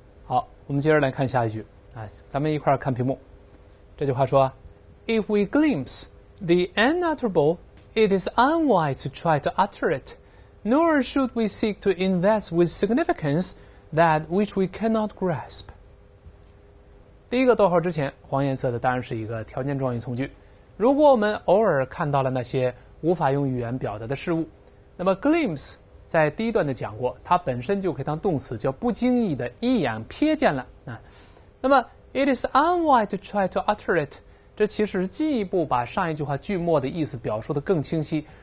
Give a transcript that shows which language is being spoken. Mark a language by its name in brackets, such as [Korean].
[Chinese] 好，我们接着来看下一句啊，咱们一块儿看屏幕。这句话说 [English] ：“If we glimpse the unutterable, it is unwise to try to utter it, nor should we seek to invest with significance that which we cannot grasp。” [Chinese] 第一个逗号之前，黄颜色的当然是一个条件状语从句。如果我们偶尔看到了那些无法用语言表达的事物，那么 glimpse 在第一段的讲过，它本身就可以当动词，叫不经意的一眼瞥见了。那么 [English] it is unwise to try to utter it， [Chinese] 这其实进一步把上一句话句末的意思表述得更清晰。